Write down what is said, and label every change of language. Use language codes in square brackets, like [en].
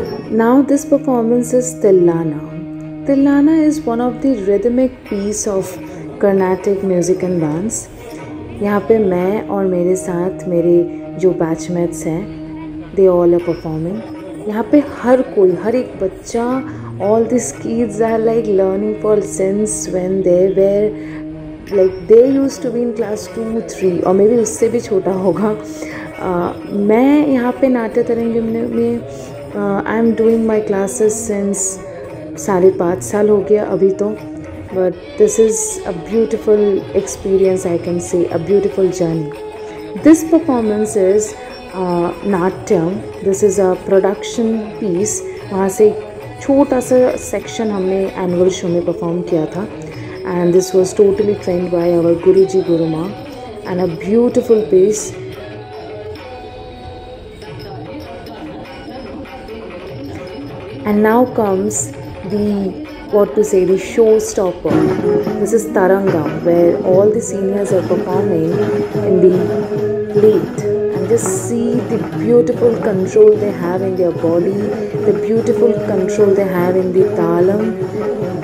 [en] Now this performance is Tillana. Tillana is one of the rhythmic piece of Carnatic music and dance. [hi] यहाँ पे मैं और मेरे साथ मेरे जो बैचमेट्स हैं, [en] they all are performing. [hi] यहाँ पे हर कोई, हर एक बच्चा, [en] all the kids are like learning for since when they were like they used to be in class 2-3 [hi] और maybe उससे भी छोटा होगा। मैं यहाँ पे नाट्य तरंग में [en] I am doing my classes since 5.5 [hi] साल हो गया अभी तो, [en] But this is a beautiful experience, I can say a beautiful journey. This performance is Natyam, this is a production piece, [hi] वहाँ से एक छोटा सा सेक्शन हमने एनुअल शो में परफॉर्म किया था, [en] And this was totally trained by our guru ji Guruma and a beautiful piece. And now comes the, what to say, the showstopper. This is Taranga, where all the seniors are performing in the plate. And just see the beautiful control they have in their body, the beautiful control they have in the talam.